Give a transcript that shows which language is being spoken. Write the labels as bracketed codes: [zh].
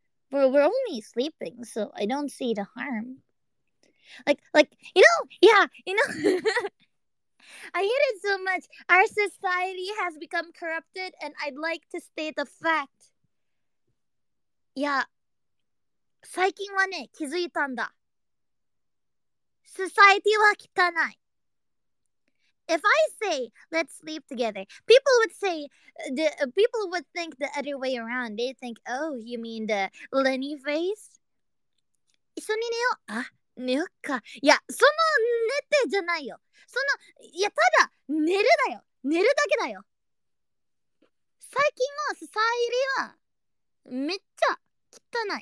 [en] We're only sleeping, so I don't see the harm. Like, you know, yeah, you know. I hate it so much. Our society has become corrupted, and I'd like to state the fact. Yeah. [ja] 最近はね、気づいたんだ。 Society は汚い。 [en] If I say, let's sleep together, people would say, people would think the other way around. They think, oh, you mean the Lenny face? [ja] 一緒に寝よう。あ、寝よっか。いや、その寝てじゃないよ。その、いや、ただ寝るだよ。寝るだけだよ。最近のスサイリはめっちゃ汚い。